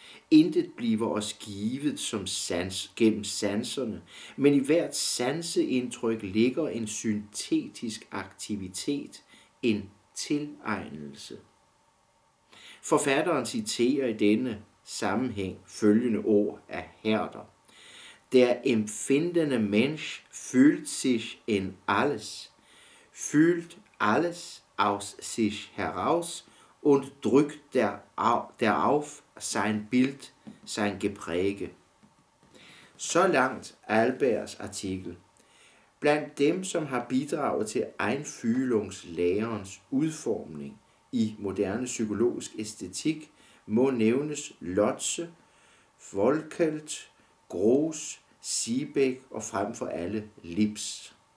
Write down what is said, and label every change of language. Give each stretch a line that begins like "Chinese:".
Danish: Intet bliver os givet som sans, gennem sanserne, men i hvert sanseindtryk ligger en syntetisk aktivitet, en tilegnelse. Forfatteren citerer i denne sammenhæng følgende ord af Herder.
German: Der empfindende mensch fühlt sich in alles, fühlt alles aus sich heraus und drückt darauf sein Bild, sein Gepräge.
Danish: Så langt Albers artikel. Blandt dem, som har bidraget til Einfühlungslærens udformning i moderne psykologisk æstetik, må nævnes Lotze, Volkelt, Gross, Siebeck og frem for alle Lips.